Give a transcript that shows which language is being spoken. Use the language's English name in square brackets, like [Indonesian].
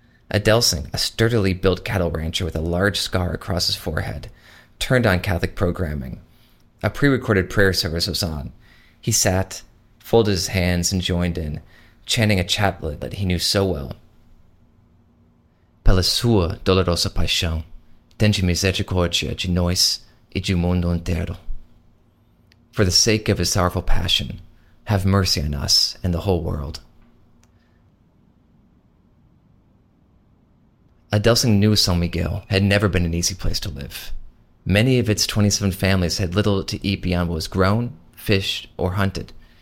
[English] Adelson, a sturdily built cattle rancher with a large scar across his forehead, turned on Catholic programming. A pre-recorded prayer service was on. He sat, folded his hands, and joined in, chanting a chaplet that he knew so well. [Portuguese] Pela sua dolorosa paixão, tende misericórdia de nós e do mundo inteiro. [English] For the sake of his sorrowful passion, have mercy on us and the whole world. Adelson knew San Miguel had never been an easy place to live. Many of its 27 families had little to eat beyond what was grown, fished, or hunted.